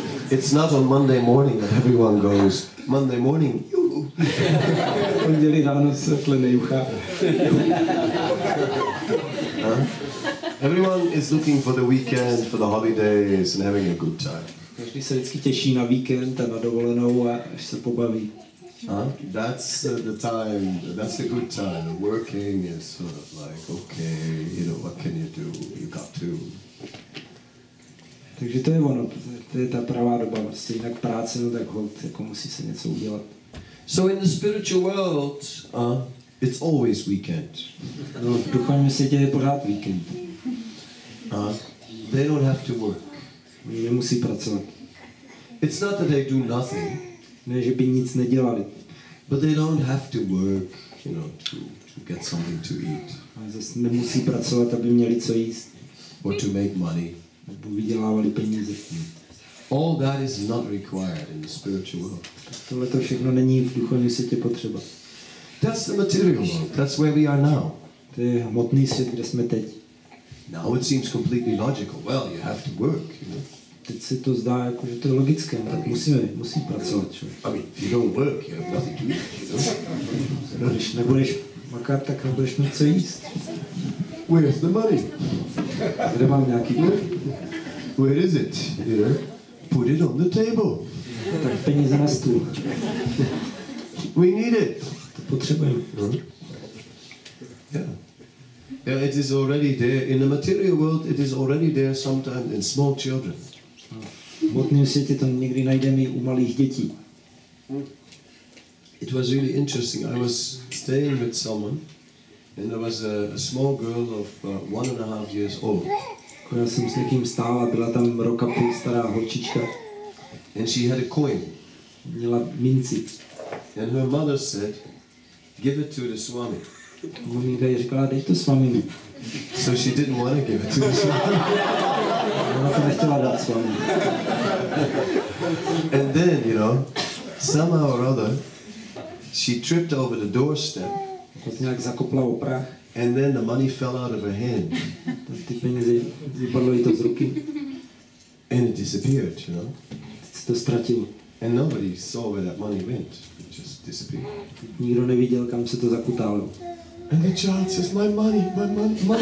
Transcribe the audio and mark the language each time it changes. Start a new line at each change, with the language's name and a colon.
English: It's not on Monday morning that everyone goes, Monday morning,
Czech: pondělí ráno světle nejucha.
English: Everyone is looking for the weekend, for the holidays and having a good time.
Czech: Každý se vždycky těší na víkend a na dovolenou a až se pobaví.
English: That's a good time. Working is sort of like, okay, you know, what can you do? You got to.
Czech: Takže to je ono, to je ta pravá doba. Prostě jinak práce, no tak hold, jako musí se něco udělat.
English: So in the spiritual world, it's always weekend.
Czech: No, v duchovním světě je pořád víkend.
English: They don't have to work.
Czech: Oni nemusí pracovat.
English: It's not that they do nothing.
Czech: Ne, že by nic nedělali.
English: But they don't have to work, you know, to get something to eat.
Czech: Ale zase nemusí pracovat, aby měli co jíst.
English: Or to make money.
Czech: Nebo vydělávali peníze.
English: All that is not required in the spiritual world.
Czech: Tohle to všechno není v duchovním světě potřeba.
English: That's the material world. That's where we are now.
Czech: To je hmotný svět, kde jsme teď.
English: Now it seems completely logical. Well, you have to work, you know.
Czech: Teď se to zdá jako, že to je logické, tak musí pracovat člověk.
English: I mean, if you don't work, you have nothing to eat, you know.
Czech: Když nebudeš makat, tak nebudeš mít co jíst.
English: Where's the money?
Czech: Kde mám nějaký peníze?
English: Where is it? You know? Put it on the table.
Czech: Tak peníze na stůl.
English: We need it.
Czech: To potřebujeme.
English: Yeah, it is already there. In the material world, it is already there sometimes in small children.
Czech: V hmotném světě to někdy najdeme u malých dětí.
English: It was really interesting. I was staying with someone and there was a small girl of 1.5 years old.
Czech: Já jsem s někým stál a byla tam rok a půl stará holčička.
English: And she had a coin.
Czech: Měla minci.
English: And her mother said, give it to the Swami.
Czech: Maminka jí řekla, dej to Swamini.
English: So she didn't want to give it to the Swami.
Czech: Ona to nechtěla dát Swami.
English: And then, you know, somehow or other, she tripped over the doorstep.
Czech: To nějak zakopla o prach.
English: And then the money fell out of her hand.
Czech: Ty peníze vypadlo jí to z ruky.
English: And it disappeared, you know.
Czech: Se to ztratilo.
English: And nobody saw where that money went. It just disappeared.
Czech: Nikdo neviděl, kam se to zakutálo.
English: And the child says, my money gone.